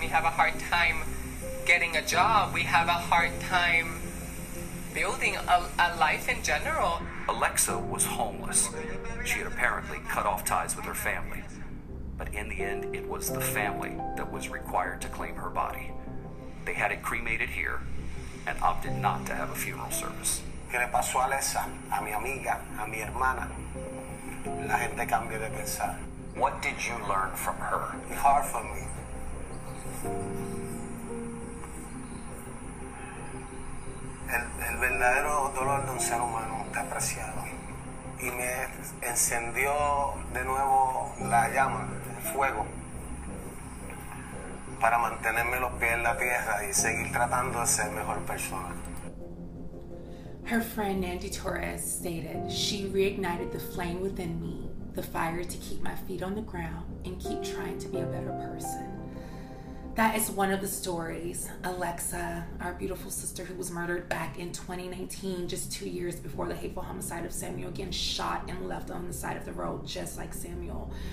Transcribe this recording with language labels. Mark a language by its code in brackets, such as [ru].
[en] We have a hard time getting a job. We have a hard time building a life in general. Alexa was homeless. She had apparently cut off ties with her family. But in the end, it was the family that was required to claim her body. They had it cremated here and opted not to have a funeral service. [es] ¿Qué le pasó a Alexa, a mi amiga, a mi hermana? La gente cambia de pensar. [en] What did you learn from her? It's hard for me. [es] El verdadero dolor de un ser humano está apreciado. Y me encendió de nuevo la llama, el fuego, para mantenerme los pies en la tierra y seguir tratando de ser mejor persona. [en] Her friend, Nandy Torres, stated, "She reignited the flame within me, the fire to keep my feet on the ground and keep trying to be a better person." That is one of the stories. Alexa, our beautiful sister who was murdered back in 2019, just 2 years before the hateful homicide of Samuel, again shot and left on the side of the road, just like Samuel.